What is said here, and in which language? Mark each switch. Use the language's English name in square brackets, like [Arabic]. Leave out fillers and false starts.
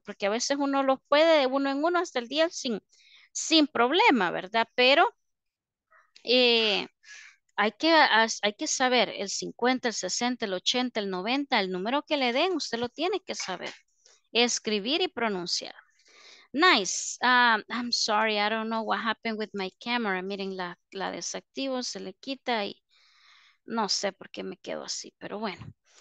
[Spanish] Porque a veces uno lo puede de 1 en 1 hasta el 10 sin problema, ¿verdad? Pero hay que saber el 50, el 60, el 80, el 90, el número que le den, usted lo tiene que saber. Escribir y pronunciar. Nice. [English] I'm sorry, I don't know what happened with my camera. [Spanish] Miren, la desactivo, se le quita y no sé por qué me quedo así, pero bueno.